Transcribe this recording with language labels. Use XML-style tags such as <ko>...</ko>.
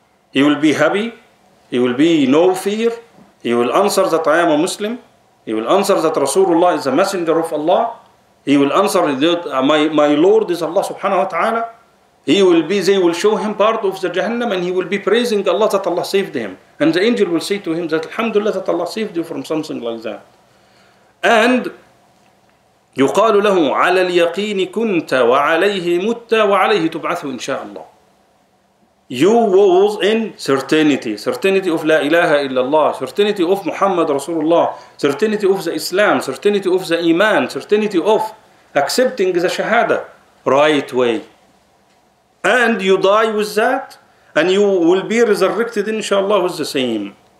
<en>He will be happy, he will be no fear, he will answer that I am a Muslim, he will answer that Rasulullah is a messenger of Allah, he will answer that my Lord is Allah subhanahu wa ta'ala, they will show him part of the Jahannam, and he will be praising Allah that Allah saved him. And the angel will say to him that Alhamdulillah that Allah saved you from something like that.</en> <ar>And يقال له على اليقين كنت وعليه مت وعليه تبعث إن شاء الله.</ar> <en>You was in certainty of La ilaha illallah, certainty of Muhammad Rasulullah, certainty of the Islam, certainty of the Iman, certainty of accepting the Shahada right way. And you die with that, and you will be resurrected inshallah with the same.</en>